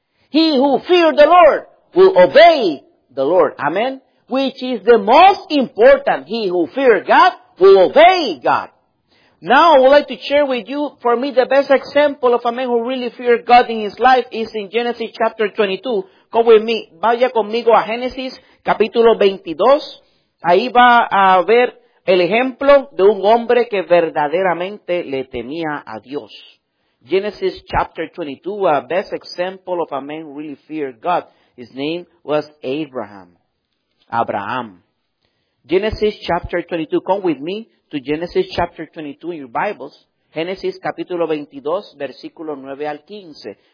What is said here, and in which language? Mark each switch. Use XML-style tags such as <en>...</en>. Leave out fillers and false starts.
<en>He who fears the Lord will obey the Lord. Amen? Which is the most important. He who fears God will obey God. Now, I would like to share with you, for me, the best example of a man who really feared God in his life is in Genesis chapter 22. Come with me.</en> <es>Vaya conmigo a Genesis, capítulo 22. Ahí va a ver el ejemplo de un hombre que verdaderamente le temía a Dios.</es> <en>Genesis chapter 22, a best example of a man who really feared God. His name was Abraham. Abraham. Genesis chapter 22. Come with me to Genesis chapter 22 in your Bibles.</en> <es>Genesis capítulo 22, versículo 9 al 15.</es>